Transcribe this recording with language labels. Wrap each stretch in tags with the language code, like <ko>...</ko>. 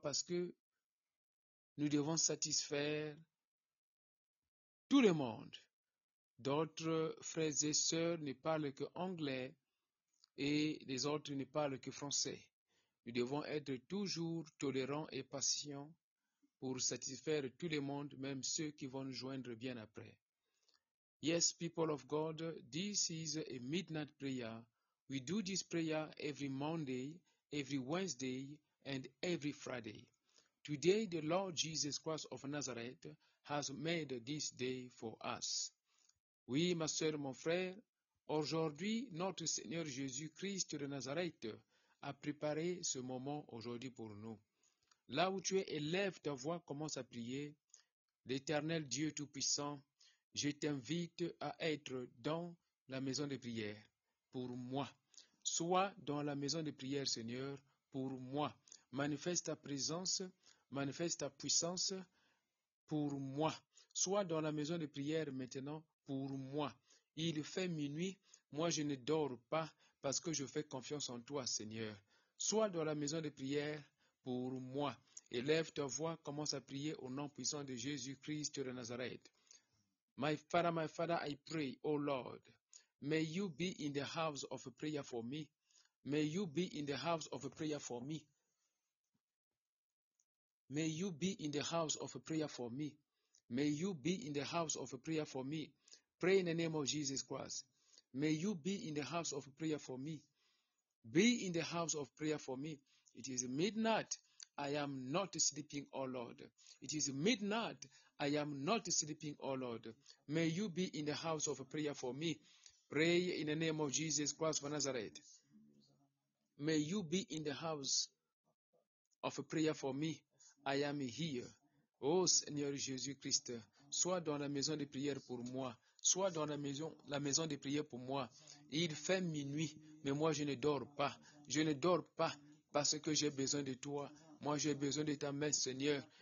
<fr>Parce que nous devons satisfaire tout le monde. D'autres frères et sœurs ne parlent que anglais et les autres ne parlent que français. Nous devons être toujours tolérants et patients pour satisfaire tout le monde, même ceux qui vont nous joindre bien après.</fr> <en>Yes, people of God, this is a midnight prayer. We do this prayer every Monday, every Wednesday, and every Friday. Today, the Lord Jesus Christ of Nazareth has made this day for us.</en> <fr>Oui, ma soeur, mon frère, aujourd'hui, notre Seigneur Jésus-Christ de Nazareth a préparé ce moment aujourd'hui pour nous. Là où tu es, élève ta voix, commence à prier. L'Éternel Dieu Tout-Puissant, je t'invite à être dans la maison de prière pour moi. Sois dans la maison de prière, Seigneur, pour moi. Manifeste ta présence, manifeste ta puissance, pour moi. Sois dans la maison de prière maintenant pour moi. Il fait minuit, moi je ne dors pas parce que je fais confiance en toi, Seigneur. Sois dans la maison de prière pour moi. Élève ta voix, commence à prier au nom puissant de Jésus-Christ de Nazareth.</fr> <en>My Father, I pray, O Lord, may you be in the house of prayer for me. May you be in the house of prayer for me. May you be in the house of prayer for me. May you be in the house of prayer for me. Pray in the name of Jesus Christ. May you be in the house of prayer for me. Be in the house of prayer for me. It is midnight. I am not sleeping, O Lord. It is midnight. I am not sleeping, O Lord. May you be in the house of prayer for me. Pray in the name of Jesus Christ of Nazareth. May you be in the house of prayer for me. I am here.</en> <fr>Ô Seigneur Jésus-Christ, sois dans la maison de prière pour moi. Sois dans la maison de prière pour moi. Il fait minuit, mais moi je ne dors pas. Je ne dors pas parce que j'ai besoin de toi. Moi j'ai besoin de ta main, Seigneur.</fr>